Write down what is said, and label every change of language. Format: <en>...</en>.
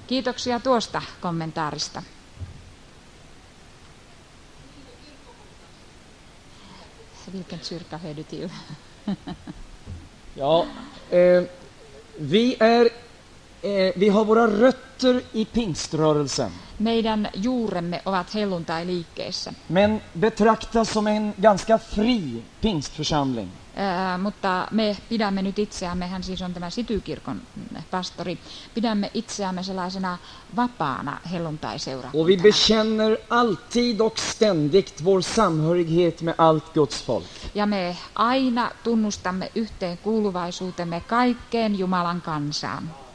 <fi>Kiitoksia tuosta kommentaarista.</fi> <sv>Vilken kyrka hör du till? Ja, vi är Vi har våra rötter i pingströrelsen.</sv> <fi>Meidän juuremme ovat helluntailiikkeessä.</fi> <sv>Men betraktas som en ganska fri pingstförsamling.</sv> <fi>Mutta me pidämme nyt itseämme, hän siis on tämä Sitykirkon pastori, pidämme itseämme sellaisena vapaana helluntaiseurakuntana.</fi> <sv>Och vi bekänner alltid och ständigt vår samhörighet med allt Guds folk.</sv> <fi>Ja me aina tunnustamme yhteen kuuluvaisuutemme kaikkeen Jumalan kansaan.</fi>